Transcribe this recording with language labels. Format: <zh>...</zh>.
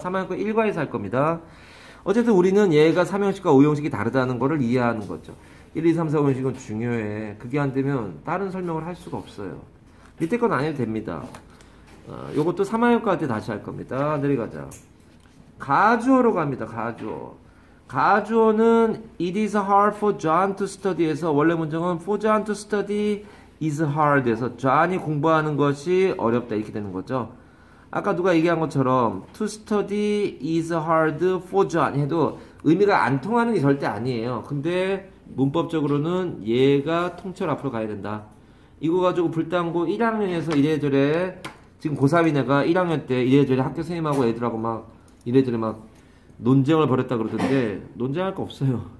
<ko>3학년까지 1과에서 할 겁니다. 어쨌든 우리는 얘가 3형식과 5형식이 다르다는 것을 이해하는 거죠. 1, 2, 3, 4, 5형식은 중요해. 그게 안 되면 다른 설명을 할 수가 없어요. 밑에 건 안 해도 됩니다. 요것도 3학년과 때 다시 할 겁니다. 내려가자. 가주어로 갑니다. 가주어.</ko> <en>가주어는 It is hard for John to study 에서 원래 문장은 For John to study is hard 에서 John이 공부하는 것이 어렵다 이렇게 되는 거죠.</en> <ko>아까 누가 얘기한 것처럼 To study is hard for John 해도 의미가 안 통하는 게 절대 아니에요. 근데 문법적으로는 얘가 통째로 앞으로 가야 된다. 이거 가지고 불당고 1학년에서 이래저래 지금 고3인 애가 1학년 때 이래저래 학교 선생님하고 애들하고 막 이래저래 막 논쟁을 벌였다 그러던데 논쟁할 거 없어요.</ko>